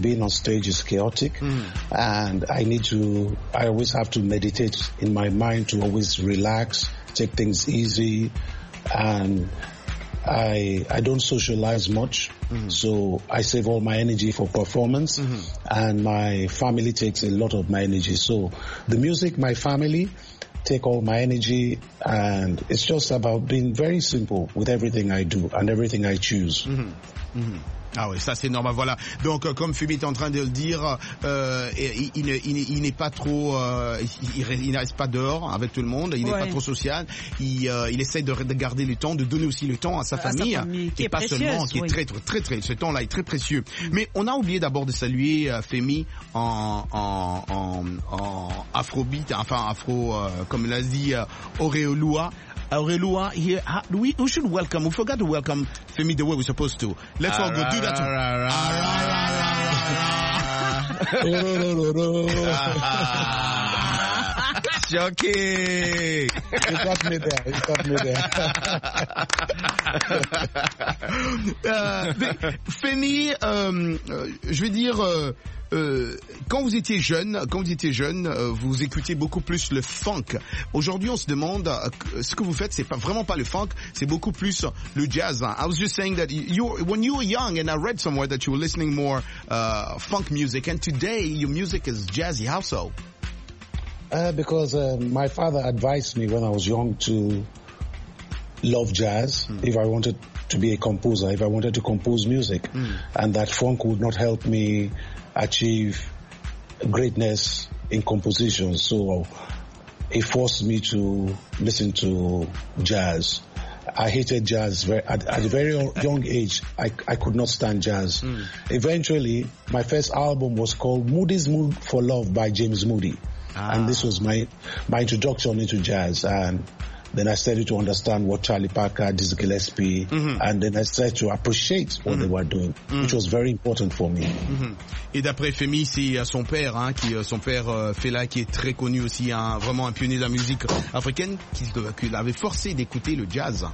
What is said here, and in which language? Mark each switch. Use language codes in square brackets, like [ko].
[en] Being on stage is chaotic, and I always have to meditate in my mind to always relax, take things easy, and I don't socialize much, so I save all my energy for performance, and my family takes a lot of my energy. So the music, my family take all my energy, and it's just about being very simple with everything I do and everything I choose. [fr] Mm-hmm. Mm-hmm. Ah oui, ça c'est normal, voilà. Donc comme Femi est en train de le dire, il n'est pas trop, il ne reste pas dehors avec tout le monde, il n'est pas trop social, il essaie de garder le temps, de donner aussi le temps à sa famille, qui est pas seulement, qui est très, très, très, ce temps-là est très précieux. Mais on a oublié d'abord de saluer Femi en Afrobeat, enfin Afro, comme l'a dit Auréloua. [en] Auréloua here. We should welcome. We forgot to welcome Femi the way we're supposed to. Let's all go do that. Ra-ra-ra-ra-ra-ra. [fr] choqué. Je dois te m'aider, je dois te m'aider. Femi, je vais dire, quand vous étiez jeune, vous écoutiez beaucoup plus le funk. Aujourd'hui, on se demande, ce que vous faites, c'est pas vraiment pas le funk, c'est beaucoup plus le jazz. [en] I was just saying that when you were young, and I read somewhere that you were listening more funk music, and today your music is jazzy. How so? Because my father advised me when I was young to love jazz if I wanted to be a composer, if I wanted to compose music, and that funk would not help me achieve greatness in composition. So it forced me to listen to jazz. I hated jazz at a very young age. I could not stand jazz. Eventually, my first album was called Moody's Mood for Love by James Moody. And this was my introduction into jazz. And then I started to understand what Charlie Parker, Dizzy Gillespie, and then I started to appreciate what they were doing, which was very important for me. [fr] Et d'après Femi, c'est son père, hein, qui son père Fela, qui est très connu aussi, hein, vraiment un pionnier de la musique africaine, qui l'avait forcé d'écouter le jazz.